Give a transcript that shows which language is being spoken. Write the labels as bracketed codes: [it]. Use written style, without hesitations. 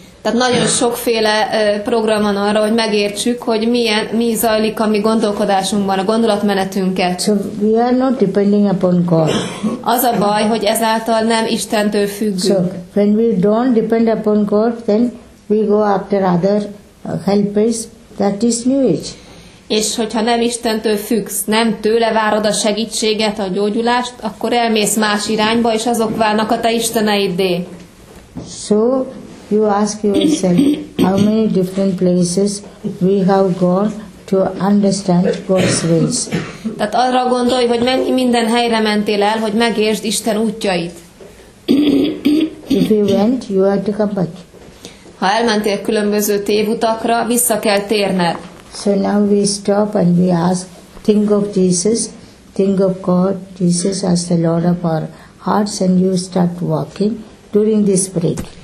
[hu] Tehát nagyon sokféle program van arra, hogy megértsük, hogy mi zajlik a mi gondolkodásunkban, a gondolatmenetünket. [en] So we are not depending upon God. [hu] Az a baj, hogy ezáltal nem Istentől függünk. [en] So when we don't depend upon God, then we go after other helpers, that is new age. [hu] És hogyha nem Istentől függsz, nem tőle várod a segítséget, a gyógyulást, akkor elmész más irányba, és azok válnak a te isteneiddé. [en] So you ask yourself, how many different places we have gone to understand God's ways. [hu] Tehát arra gondolj, hogy mennyi minden helyre mentél el, hogy megértsd Isten útjait. [en] If you went, you have to come back. [hu] Ha elmentél különböző tévutakra, vissza kell térned. [en] So now we stop and we ask, think of Jesus, think of God, Jesus as the Lord of our hearts, and you start walking during this break.